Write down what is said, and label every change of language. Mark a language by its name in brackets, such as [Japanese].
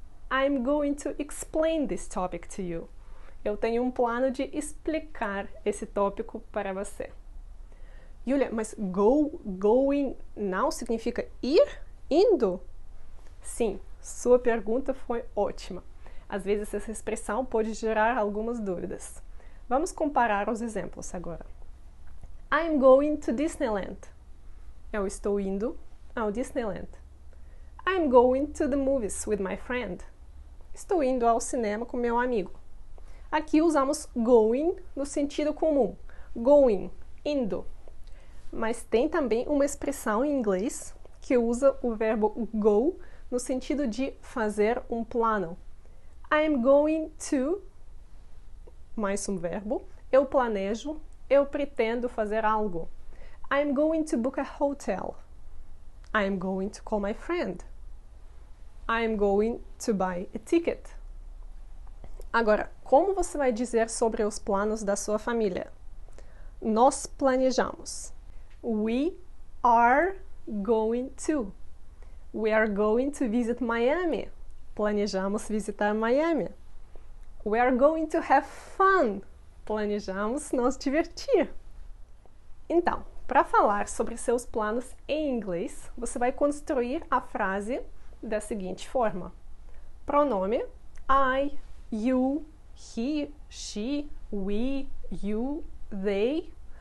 [English] I'm going to explain this topic to you. [Portuguese] Eu tenho um plano de explicar esse tópico para você. Julia, mas going now significa ir? Indo? Sim, sua pergunta foi ótima. Às vezes essa expressão pode gerar algumas dúvidas. Vamos comparar os exemplos agora. [English] I'm going to Disneyland. [Portuguese] Eu estou indo ao Disneyland. [English] I'm going to the movies with my friend. [Portuguese] Estou indo ao cinema com meu amigo. Aqui usamos going no sentido comum. Going, indo. Mas tem também uma expressão em inglês que usa o verbo go no sentido de fazer um plano. [English] I'm going to, [Portuguese] mais um verbo, eu planejo, eu pretendo fazer algo. [English] I'm going to book a hotel. I'm going to call my friend. I'm going to buy a ticket. [Portuguese] Agora, como você vai dizer sobre os planos da sua família? Nós planejamos. [English] We are going to. We are going to visit Miami. [Portuguese] Planejamos visitar Miami. [English] We are going to have fun. [Portuguese] Planejamos nos divertir. Então, para falar sobre seus planos em inglês, você vai construir a frase da seguinte forma: pronome [English] I, you, he, she, we, you, they.